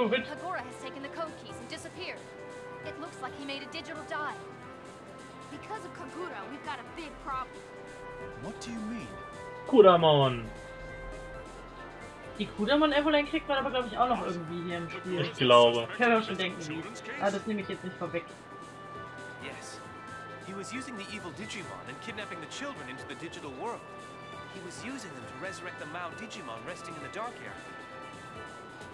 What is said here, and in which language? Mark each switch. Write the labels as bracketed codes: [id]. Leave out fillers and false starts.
[en] Hagora has taken the code keys and disappeared. It looks like he made a digital dive. Because of Kagura, we've got a big problem. What do you mean? Kudamon. [de] Die Kudamon-Evoline kriegt man aber, glaube ich, auch noch irgendwie hier im Spiel. Ich glaube. Ich kann auch schon denken, wie. Ah, das nehme ich jetzt nicht vorweg. [en] Yes. He was using the evil Digimon and kidnapping the children into the digital world. He was using them to resurrect the Mao Digimon resting in the dark area.